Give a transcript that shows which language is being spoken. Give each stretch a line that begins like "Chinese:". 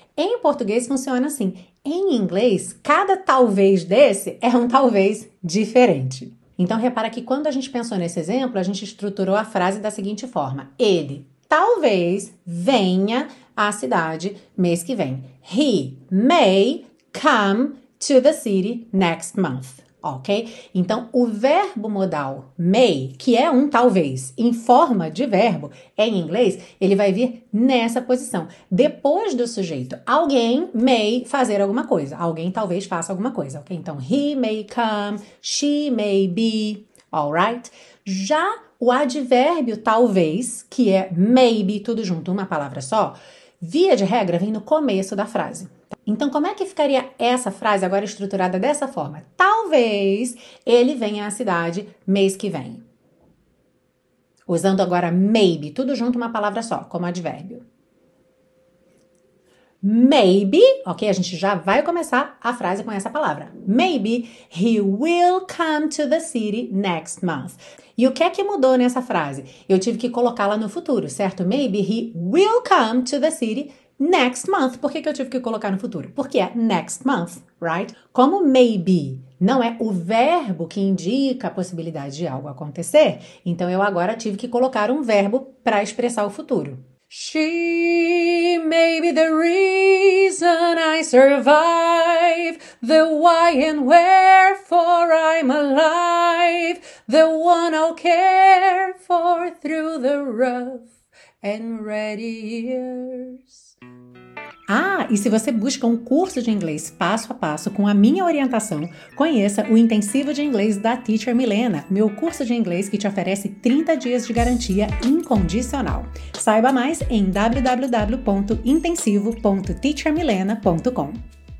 Portuguese: Em português funciona assim. Em inglês, cada talvez desse é um talvez diferente. Então, repara que quando a gente pensou nesse exemplo, a gente estruturou a frase da seguinte forma. Ele talvez venha à cidade mês que vem.
English: He may come to the city next month.
Portuguese: Ok? Então, o verbo modal may, que é um talvez, em forma de verbo, em inglês, ele vai vir nessa posição. Depois do sujeito, alguém may fazer alguma coisa. Alguém talvez faça alguma coisa, ok?
English: Então, he may come, she may be, alright?
Portuguese: Já o advérbio talvez, que é maybe, tudo junto, uma palavra só, via de regra, vem no começo da frase. Então, como é que ficaria essa frase agora estruturada dessa forma? Talvez ele venha à cidade mês que vem. Usando agora maybe, tudo junto, uma palavra só, como advérbio. Maybe, ok? A gente já vai começar a frase com essa palavra.
English: Maybe he will come to the city next month.
Portuguese: E o que é que mudou nessa frase? Eu tive que colocá-la no futuro, certo?
English: Maybe he will come to the city next month.
Portuguese: Por que eu tive que colocar no futuro? Porque é next month,
English: right?
Portuguese: Como maybe não é o verbo que indica a possibilidade de algo acontecer, então eu agora tive que colocar um verbo para expressar o futuro.
English: She may be the reason I survive, the why and wherefore I'm alive, the one I'll care for through the rough and ready years.
Portuguese: Ah, e se você busca um curso de inglês passo a passo com a minha orientação, conheça o Intensivo de Inglês da Teacher Milena, meu curso de inglês que te oferece 30 dias de garantia incondicional. Saiba mais em www.intensivo.teachermilena.com.